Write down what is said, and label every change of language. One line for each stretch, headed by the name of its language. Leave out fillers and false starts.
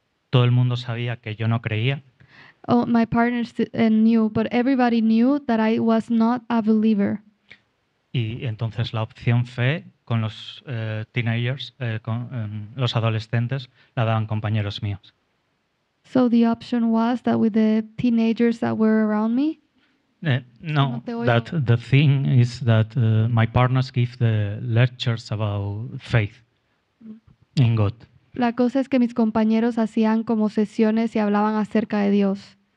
Spanish: Todo el mundo sabía que yo no creía.
English: Oh, my partners knew, but everybody knew that I was not a believer.
Spanish: Y entonces la opción fe con los teenagers, con los adolescentes, la daban compañeros míos.
English: So the option was that with the teenagers that were around me. No, that the thing is that my partners give the lectures about faith in God.
Spanish: La cosa es que mis compañeros hacían como sesiones y hablaban acerca de Dios.